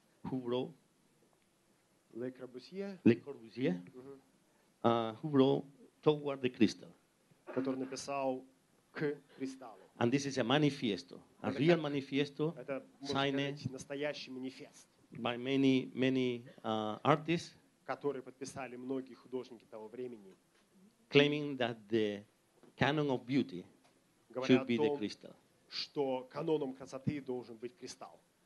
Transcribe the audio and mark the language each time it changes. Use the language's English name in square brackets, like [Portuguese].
[English] Who wrote Le Corbusier, who wrote Toward the Crystal, [Russian] который написал к кристаллу. [English] And this is a manifesto, a real manifesto, [Russian] signed настоящий манифест [English] by many artists. [Russian] который подписали многие художники того времени, [English] claiming that the canon of beauty should be the crystal. [Russian] Что каноном красоты должен быть кристалл.